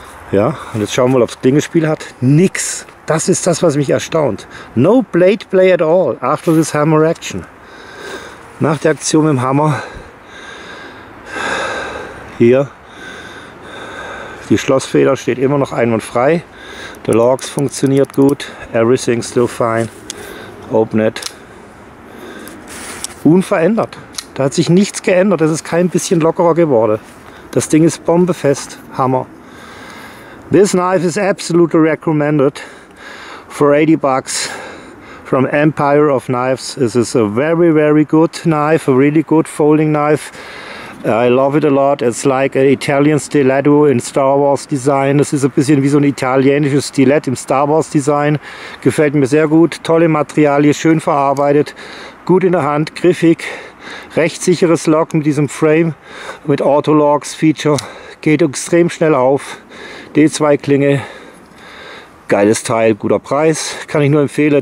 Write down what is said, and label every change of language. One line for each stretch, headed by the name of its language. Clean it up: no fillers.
German: Ja, und jetzt schauen wir mal, ob es Klingenspiel hat. Nix. Das ist das, was mich erstaunt.
English: No blade play at all after this hammer action.
German: Nach der Aktion mit dem Hammer. Hier. Die Schlossfeder steht immer noch einwandfrei.
English: The locks
German: funktioniert gut.
English: Everything still fine. Open it.
German: Unverändert. Da hat sich nichts geändert. Es ist kein bisschen lockerer geworden. Das Ding ist bombefest. Hammer.
English: This knife is absolutely recommended for 80 bucks from Empire of Knives. This is a very, very good knife, a really good folding knife. I love it a lot. It's like an Italian stiletto in Star Wars Design.
German: Das ist ein bisschen wie so ein italienisches Stilett im Star Wars Design. Gefällt mir sehr gut. Tolle Materialien, schön verarbeitet, gut in der Hand, griffig. Recht sicheres Lock mit diesem Frame, mit Auto-Locks Feature. Geht extrem schnell auf. D2 Klinge. Geiles Teil, guter Preis. Kann ich nur empfehlen.